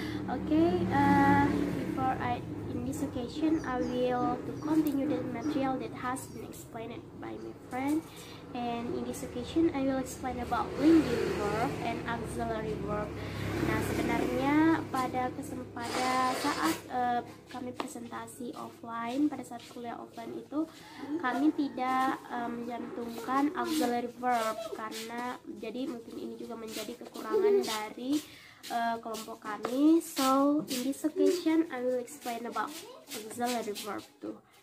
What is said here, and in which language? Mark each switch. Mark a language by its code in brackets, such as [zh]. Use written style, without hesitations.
[en] Okay, before I in this occasion, I will to continue the material that has been explained by my friend. And in this occasion, I will explain about linking verb and auxiliary verb. [id] Nah, sebenarnya pada kesempatan saat kami presentasi offline, pada saat kuliah offline itu, kami tidak menjantumkan auxiliary verb karena jadi mungkin ini juga menjadi kekurangan dari kelompok kami. [en] So in this occasion, I will explain about auxiliary verb too.